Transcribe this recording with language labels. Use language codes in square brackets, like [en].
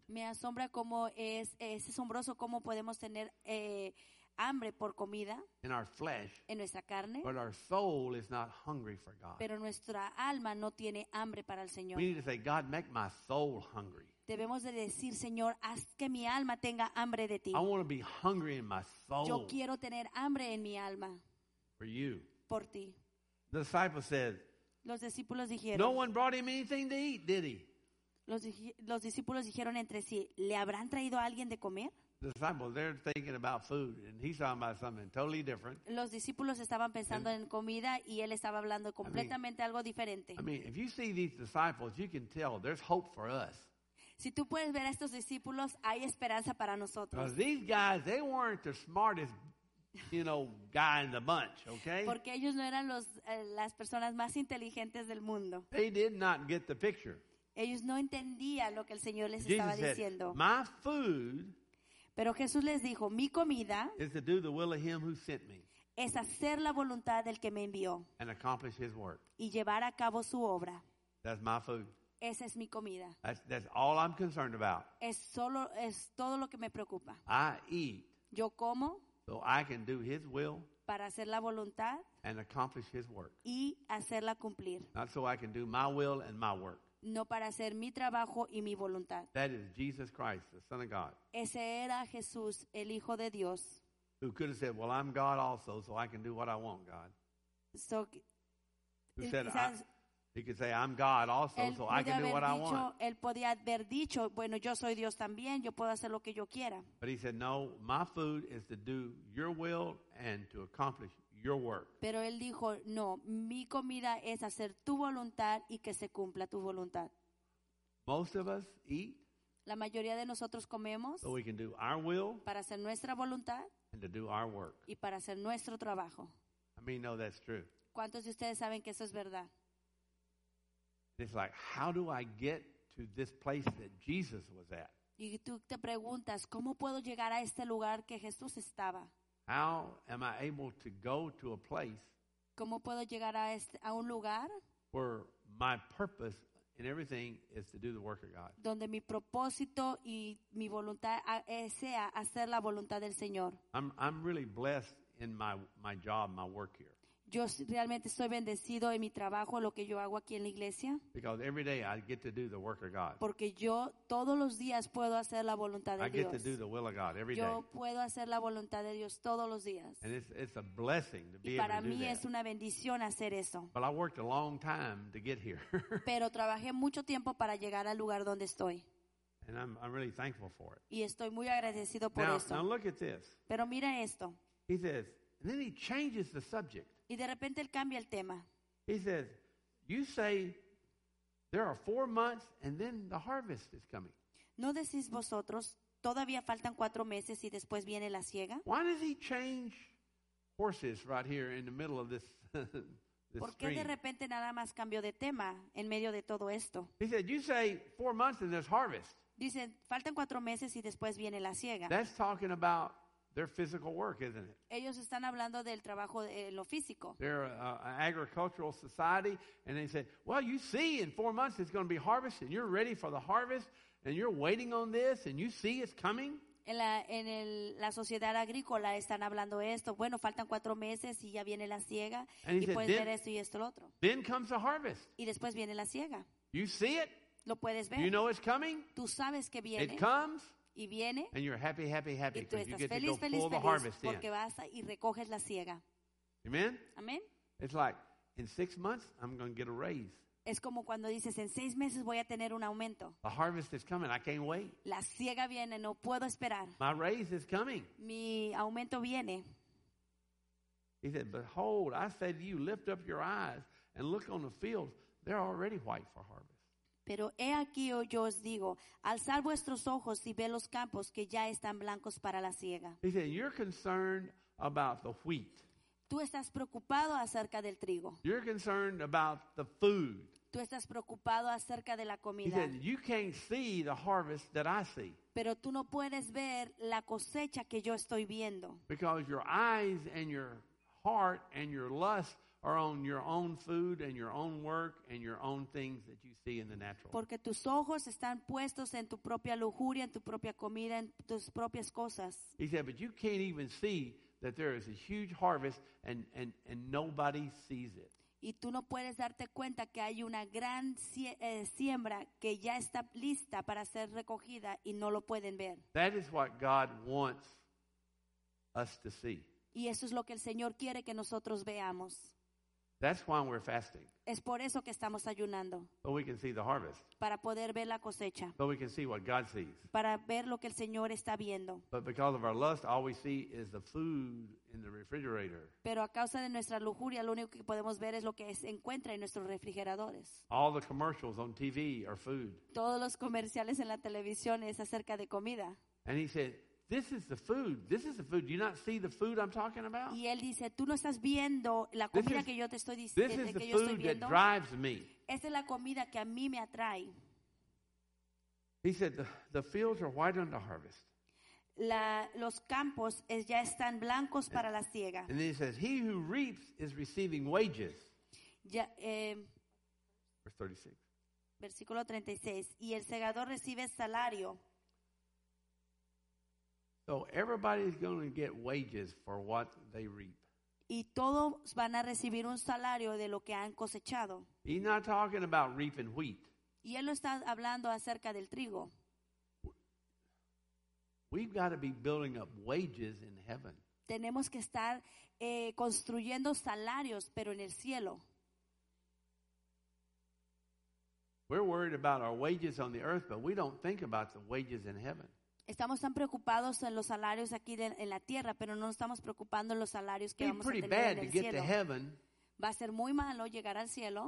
[es] Me asombra cómo es asombroso cómo podemos tener hambre por comida. [en] In our flesh. [es] En nuestra carne. [en] But our soul is not hungry for God. [es] Pero nuestra alma no tiene hambre para el Señor. [en] We need to say, God, make my soul hungry. [es] Debemos de decir, Señor, haz que mi alma tenga hambre de ti. [en] I want to be hungry in my soul. [es] Yo quiero tener hambre en mi alma. [en] For you. [es] Por ti. [en] The disciples said, [es] los discípulos dijeron, [en] no one brought him anything to eat, did he? [es] Los discípulos dijeron entre sí, ¿le habrán traído a alguien de comer? [en] The disciples, they're thinking about food, and he's talking about something totally different. [es] Los discípulos estaban pensando en comida, y él estaba hablando completamente algo diferente. [en] I mean, if you see these disciples, you can tell there's hope for us. [es] Si tú puedes ver a estos discípulos, hay esperanza para nosotros. [en] Because these guys, they weren't the smartest, you know, guy in the bunch, okay? [es] Porque ellos no eran las personas más inteligentes del mundo. [en] They did not get the picture. [es] Ellos no entendían lo que el Señor les [en] Jesus [es] estaba diciendo. [en] Said, my food, [es] pero Jesús les dijo, mi comida [en] is to do the will of him who sent me. [es] Es hacer la voluntad del que me envió. [en] And accomplish his work. [es] Y llevar a cabo su obra. [en] That's my food. [es] Esa es mi comida. [en] That's all I'm concerned about. [es] Es todo lo que me preocupa. [en] I eat. [es] Yo como. [en] So I can do his will. [es] Para hacer la voluntad. [en] And accomplish his work. [es] Y hacerla cumplir. [en] Not so I can do my will and my work. [es] No para hacer mi trabajo y mi voluntad. [en] That is Jesus Christ, the Son of God. [es] Ese era Jesús, el Hijo de Dios. [en] Who could have said, well, I'm God also, so I can do what I want, God. So, who said, He could say, I'm God also, so I can do what I want. [es] Él podía haber dicho, bueno, yo soy Dios también, yo puedo hacer lo que yo quiera. [en] But he said, no, my food is to do your will and to accomplish your work. [es] Pero él dijo, no, mi comida es hacer tu voluntad y que se cumpla tu voluntad. [en] Most of us eat. [es] La mayoría de nosotros comemos. [en] So we can do our will. [es] Para hacer nuestra voluntad. [en] And to do our work. [es] Y para hacer nuestro trabajo. [en] I mean, no, that's true. [es] ¿Cuántos de ustedes saben que eso es verdad? [en] It's like, how do I get to this place that Jesus was at? [es] Y tú te preguntas, ¿cómo puedo llegar a este lugar que Jesús estaba? [en] How am I able to go to a place? [es] ¿Cómo puedo llegar a un lugar? [en] Where my purpose and everything is to do the work of God. [es] Donde mi propósito y mi voluntad sea hacer la voluntad del Señor. [en] I'm really blessed in my job, my work here. [es] Yo realmente estoy bendecido en mi trabajo, lo que yo hago aquí en la iglesia. [en] Because every day I get to do the work of God. [es] Porque yo todos los días puedo hacer la voluntad de Dios. [en] I get to do the will of God every [es] yo Yo puedo hacer la voluntad de Dios todos los días. [en] And it's a blessing to be able to do [es] Y para mí es una bendición hacer eso. [en] But I worked a long time to get here. [es] Pero trabajé mucho tiempo para llegar al lugar donde estoy. [en] And I'm really thankful for it. [es] Y estoy muy agradecido por eso. [en] Now look at this. [es] Pero mira esto. [en] He says, and then he changes the subject. [es] Y de repente él cambia el tema. [en] He says, you say there are 4 months and then the harvest is coming. [es] ¿No decís vosotros, todavía faltan 4 meses y después viene la siega? [en] Why does he change horses right here in the middle of this, this [es] ¿Por qué [en] stream? [es] De repente nada más cambió de tema en medio de todo esto? [en] He said, you say 4 months and there's harvest. [es] Dice, faltan 4 meses y después viene la siega. [en] That's talking about their physical work, isn't it? [es] Ellos están hablando del trabajo de lo físico. [en] They're an agricultural society, and they say, well, you see, in 4 months it's going to be harvest, and you're ready for the harvest, and you're waiting on this, and you see it's coming. [es] En la sociedad agrícola están hablando esto. Bueno, faltan 4 meses y ya viene la siega, y [en] said, [es] puedes ver esto y esto lo otro. [en] Then comes the harvest. [es] Y después viene la siega. [en] You see it. [es] Lo puedes ver. [en] You know it's coming. [es] Tú sabes que viene. [en] It comes. [es] Y viene, [en] and you're happy, happy, happy because you get [es] feliz, feliz, [en] pull [es] feliz [en] the harvest in. [es] Vas a, y recoges la siega. [en] Amen? [es] Amen? [en] It's like, in 6 months, I'm going to get a raise. [es] Es como cuando dices, en 6 meses voy a tener un aumento. [en] The harvest is coming. I can't wait. [es] La siega viene. No puedo esperar. [en] My raise is coming. [es] Mi aumento viene. [en] He said, behold, I said to you, lift up your eyes and look on the fields. They're already white for harvest. [es] Pero he aquí yo os digo, alzad vuestros ojos y ve los campos que ya están blancos para la siega. [en] He said, you're concerned about the wheat. [es] Tú estás preocupado acerca del trigo. [en] You're concerned about the food. [es] Tú estás preocupado acerca de la comida. [en] He said, you can't see the harvest that I see. [es] Pero tú no puedes ver la cosecha que yo estoy viendo. [en] Because your eyes and your heart and your lust are on your own food and your own work and your own things that you see in the natural. [es] Porque tus ojos están puestos en tu propia lujuria, en tu propia comida, en tus propias cosas. [en] He said, but you can't even see that there is a huge harvest and nobody sees it. [es] Y tú no puedes darte cuenta que hay una gran siembra que ya está lista para ser recogida y no lo pueden ver. [en] That is what God wants us to see. [es] Y eso es lo que el Señor quiere que nosotros veamos. [en] That's why we're fasting. [es] Es por eso que estamos ayunando. [en] So we can see the harvest. [es] Para poder ver la cosecha. [en] So we can see what God sees. [es] Para ver lo que el Señor está viendo. [en] But because of our lust, all we see is the food in the refrigerator. [es] Pero a causa de nuestra lujuria, lo único que podemos ver es lo que se encuentra en nuestros refrigeradores. [en] All the commercials on TV are food. [es] Todos los comerciales en la televisión es acerca de comida. [en] And he said, this is the food. This is the food. Do you not see the food I'm talking about? [es] Y él dice, tú no estás viendo la comida que yo te estoy diciendo. [en] This is the food that drives me. [es] Esa es la comida que a mí me atrae. [en] He said, the fields are white under harvest. [es] Los campos ya están blancos para la siega. [en] And then he says, he who reaps is receiving wages. [es] Ya, [en] verse 36. [es] Versículo 36. Y el segador recibe salario. [en] So everybody is going to get wages for what they reap. [es] Y todos van a recibir un salario de lo que han cosechado. [en] He's not talking about reaping wheat. [es] Y él no está hablando acerca del trigo. [en] We've got to be building up wages in heaven. [es] Tenemos que estar construyendo salarios, pero en el cielo. [en] We're worried about our wages on the earth, but we don't think about the wages in heaven. [es] Estamos tan preocupados en los salarios aquí en la tierra, pero no estamos preocupando en los salarios que vamos a tener en el cielo. [en] To heaven, [es] va a ser muy malo llegar al cielo